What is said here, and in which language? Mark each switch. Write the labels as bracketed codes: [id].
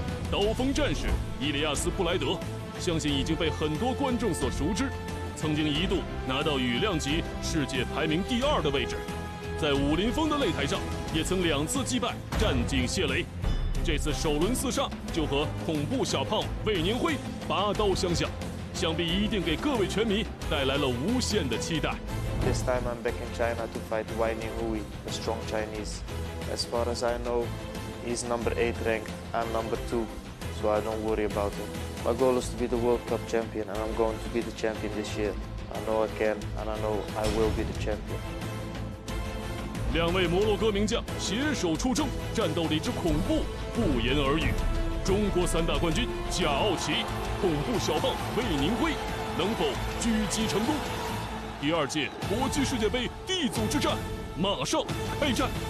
[zh] 刀锋战士伊利亚斯·布莱德，相信已经被很多观众所熟知，曾经一度拿到羽量级世界排名第二的位置，在武林风的擂台上也曾两次击败战井谢雷，这次首轮四杀就和恐怖小胖魏宁辉拔刀相向，想必一定给各位拳迷带来了无限的期待。 [en] This time I'm back in China to fight Wai Ninghui, a strong Chinese. As far as I know, he's number 8 ranked, I'm number 2, so I don't worry about him. My goal is to be the World Cup champion, and I'm going to be the champion this year. I know I can, and I know I will be the champion. [zh] 两位摩洛哥名将携手出征，战斗力之恐怖不言而喻。中国三大冠军贾奥奇、恐怖小胖魏宁辉能否狙击成功？第二届搏击世界杯地组之战马上开战。